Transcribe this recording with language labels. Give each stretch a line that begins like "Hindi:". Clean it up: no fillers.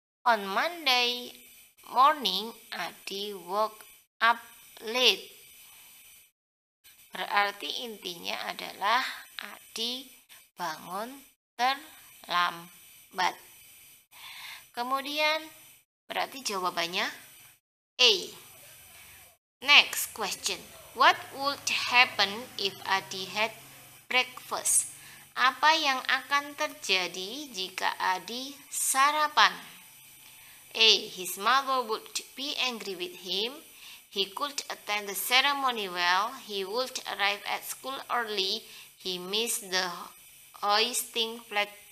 English: On Monday morning, Adi woke up late.
Indonesian: Berarti intinya adalah Adi bangun terlambat. Kemudian berarti jawabannya A.
English: Next question. What would happen if Adi had breakfast?
Indonesian: Apa yang akan terjadi jika Adi sarapan?
English: A. His mother would be angry with him. He couldn't attend the ceremony well. He would arrive at school early. He missed the hoisting flag.